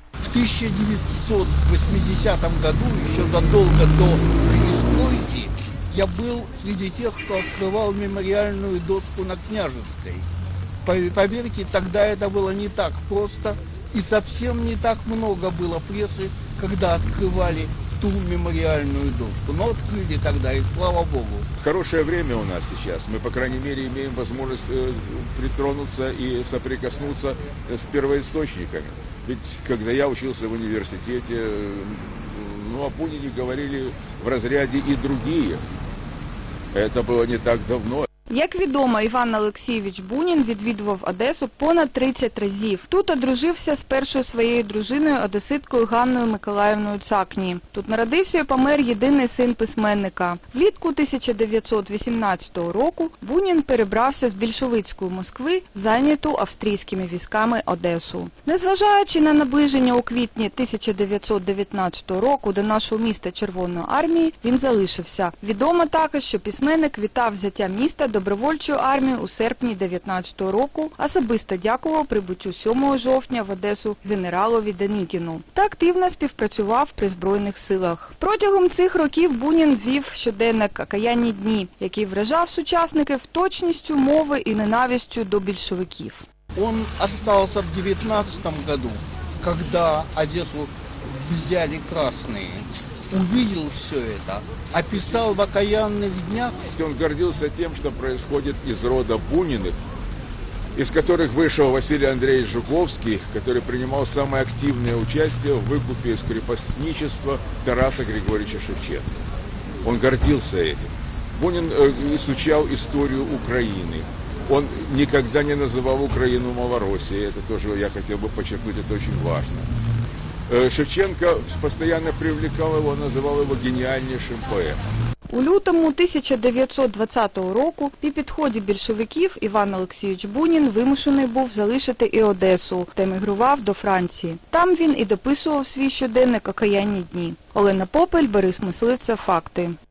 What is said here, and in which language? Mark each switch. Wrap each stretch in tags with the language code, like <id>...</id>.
<uk>В 1980 году, ще задовго до перестройки, я був серед тих, хто відкривав меморіальну дошку на Княжинській. Повірте, тоді це було не так просто і зовсім не так багато було преси, коли відкривали ту</uk> <ru>мемориальную доску. Но открыли тогда, и слава Богу. Хорошее время у нас сейчас. Мы, по крайней мере, имеем возможность притронуться и соприкоснуться с первоисточниками. Ведь когда я учился в университете, ну, о Пунине говорили в разряде и другие. Это было не так давно.</ru> <uk>Як відомо, Іван Олексійович Бунін відвідував Одесу понад 30 разів. Тут одружився з першою своєю дружиною, одеситкою Ганною Миколаївною Цакні. Тут народився і помер єдиний син письменника. Влітку 1918 року Бунін перебрався з більшовицької Москви, зайняту австрійськими військами Одесу. Незважаючи на наближення у квітні 1919 року до нашого міста Червоної армії, він залишився. Відомо також, що письменник вітав взяття міста добровольчу армію у серпні 19-го року, особисто дякував прибуттю 7 жовтня в Одесу генералові Денікіну та активно співпрацював при Збройних силах. Протягом цих років Бунін вів щоденник «Окаянні дні», який вражав сучасників точністю мови і ненавистю до більшовиків. Він залишився в 19-му році, коли Одесу взяли красні.</uk> <ru>Увидел все это, описал в «Окаянных днях». Он гордился тем, что происходит из рода Буниных, из которых вышел Василий Андреевич Жуковский, который принимал самое активное участие в выкупе из крепостничества Тараса Григорьевича Шевченко. Он гордился этим. Бунин изучал историю Украины. Он никогда не называл Украину «Малороссией». Это тоже я хотел бы подчеркнуть, это очень важно. Шевченко постоянно привлекал его, называл его гениальнейшим поэтом.</ru> <uk>У лютому 1920 року при підході більшовиків Іван Олексійович Бунін вимушений був залишити і Одесу, де мігрував до Франції. Там він і дописував свій щоденник «Окаянні дні». Олена Попель, Борис Мисливцев, «Факти».</uk>